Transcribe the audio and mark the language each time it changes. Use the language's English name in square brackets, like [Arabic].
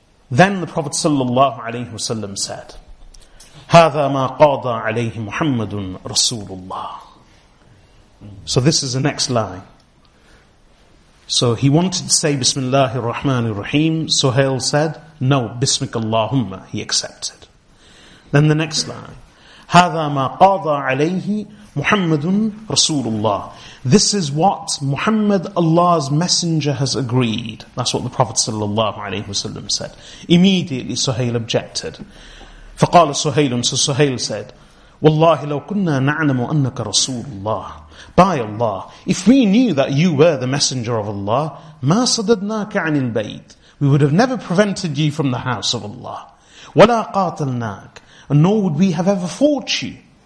[English] Then the Prophet sallallahu alayhi wa sallam said, [Arabic] هذا ما قاضى عليه محمد رسول الله. [English] So this is the next line. So he wanted to say Bismillah ar-Rahman ar-Rahim. Suhail said, no, Bismik Allahumma, he accepted. Then the next line. [Arabic] هذا ما قاضى عليه محمد رسول الله. [English] This is what Muhammad, Allah's messenger, has agreed. That's what the Prophet sallallahu alayhi wa sallam said. Immediately Suhail objected. [Arabic] فقال سهيل, [English] so Suhail said, [Arabic] والله لو كنا نعلم أنك رسول الله, [English] by Allah, if we knew that you were the messenger of Allah, [Arabic] ما صددناك عن البيت, [English] we would have never prevented you from the house of Allah, [Arabic] ولا قاتلناك, [English] and nor would we have ever fought you.